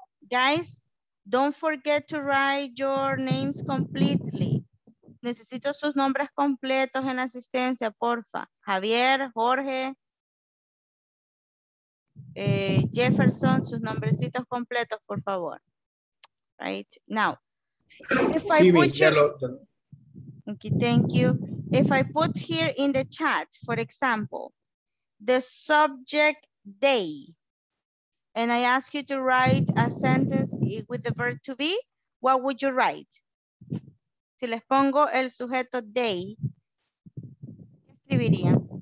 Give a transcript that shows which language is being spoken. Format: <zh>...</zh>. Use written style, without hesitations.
<en>Guys, don't forget to write your names completely.</en> <es>Necesito sus nombres completos en asistencia, porfa. Javier, Jorge, Jefferson, sus nombrecitos completos, por favor.</es> <en>Right now. If I put okay, thank you. If I put here in the chat, for example, the subject day, and I ask you to write a sentence with the verb to be, what would you write?</en> <es>Si les pongo el sujeto day, ¿qué escribiría?</es>